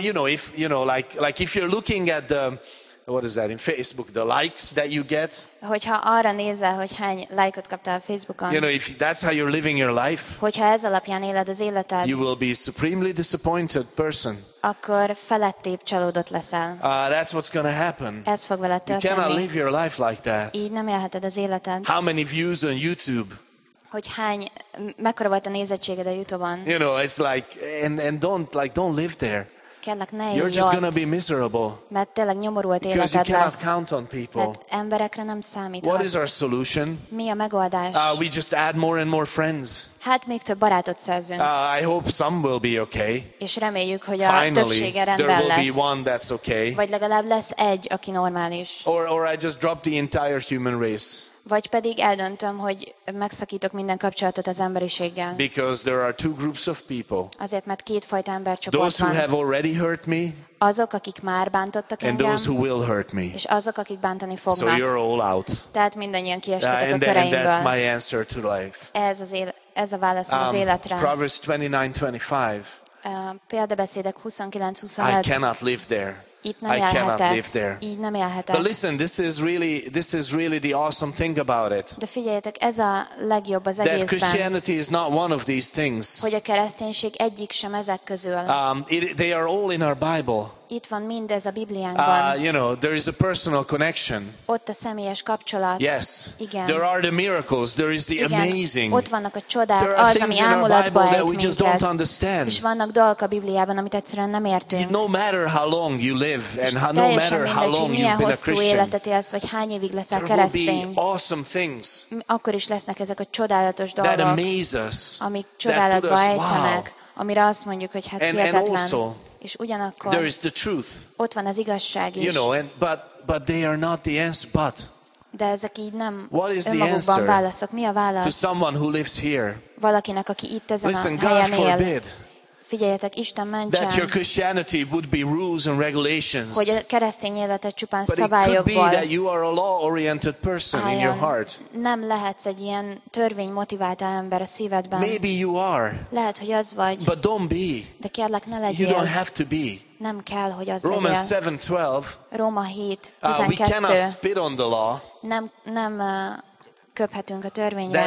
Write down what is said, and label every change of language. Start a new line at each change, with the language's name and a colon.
English: But if you're looking at the what is that in Facebook, the likes that you get?
Hungarian: Hogyha arra nézel, hogy hány lájkot kaptál a Facebookon.
English: You know, if that's how you're living your life.
Hungarian: Hogyha ez alapján éled az életed.
English: You will be a supremely disappointed person.
Hungarian: Akkor felettébb csalódott leszel.
English: That's what's going to happen.
Hungarian: Ez fog veled történni.
English: You cannot live your life like that.
Hungarian: Így nem élheted az életed.
English: How many views on YouTube?
Hungarian: Hogy hány, mekkora volt a nézettséged a YouTube-on?
English: You know, it's like, and don't live there.
Hungarian: Kérlek, ne
English: you're just going to be miserable.
Hungarian: Mert tényleg nyomorult életed lesz.
English: Because you cannot count on people.
Hungarian: Mert emberekre nem számíthatsz.
English: What is our solution?
Hungarian: Mi a megoldás?
English: We just add more and more friends.
Hungarian: Hát még több barátot szerzünk.
English: I hope some will be okay.
Hungarian: És reméljük, hogy
English: finally,
Hungarian: a többsége rendben
English: there will
Hungarian: lesz.
English: Be one that's okay.
Hungarian: Vagy legalább lesz egy, aki normális.
English: Or I just drop the entire human race.
Hungarian: Vagy pedig eldöntöm, hogy megszakítok minden kapcsolatot az emberiséggel.
English: Because there are two groups of people.
Hungarian: Azért, mert kétfajta embercsoport van.
English: Those who have already hurt me.
Hungarian: Azok, akik már bántottak engem.
English: And those who will hurt me.
Hungarian: És azok, akik bántani fognak.
English: So you're all out.
Hungarian: Tehát mindannyian kiestetek a köreimből.
English: And that's my answer to life.
Hungarian: Ez a válaszom az életre.
English: Proverbs 29:25.
Hungarian: Példabeszédek 29:25.
English: I cannot live there. I cannot live there.
Hungarian: Így nem élhetek.
English: But listen, this is really the awesome thing about it.
Hungarian: De figyeljetek, ez a legjobb az egészben.
English: That Christianity is not one of these things.
Hungarian: Hogy a kereszténység egyik sem ezek közül.
English: They are all in our Bible.
Hungarian: Itt van mindez a Bibliánkban.
English: You know, there is a personal connection.
Hungarian: Ott a személyes kapcsolat.
English: Yes.
Hungarian: Igen.
English: There are the miracles. There is the
Hungarian: igen.
English: Amazing.
Hungarian: Ott vannak a csodák, az, ami ámulatba ejt minket. És vannak dolgok a Bibliában, amit egyszerűen nem értünk.
English: No matter how long you live and how, no matter how long
Hungarian: mindegy,
English: you've been a Christian.
Hungarian: Teljesen mindegy, hogy vagy hány évig leszel keresztény.
English: There will be awesome things.
Hungarian: Akkor is lesznek ezek a csodálatos dolgok.
English: That amaze us.
Hungarian: Amik csodálatba ejtenek. Amire azt mondjuk, hogy hát hihetetlen. És ugyanakkor
English: there is the truth.
Hungarian: Ott van az igazság is.
English: You know, and but they are not the answer, but
Hungarian: de ezek így nem önmagukban válaszok. Mi a válasz?
English: To someone who lives here.
Hungarian: Valakinek, aki itt ezen
English: listen,
Hungarian: a helyen
English: God
Hungarian: él.
English: Forbid.
Hungarian: Figyeljetek, Isten mentsen.
English: That your Christianity would be rules and regulations.
Hungarian: Hogy a keresztény életed csupán
English: but
Hungarian: szabályok volt.
English: But it could be that you are a law-oriented person in your heart.
Hungarian: Nem lehetsz egy ilyen törvény motivált ember a szívedben.
English: Maybe you are.
Hungarian: Lehet, hogy az vagy.
English: But don't be.
Hungarian: De kérlek, ne legyél.
English: You don't have to be.
Hungarian: Nem kell, hogy az
English: Romans 7:12.
Hungarian: Róma 7:12.
English: We cannot spit on the law.
Hungarian: Nem köphetünk a törvényre.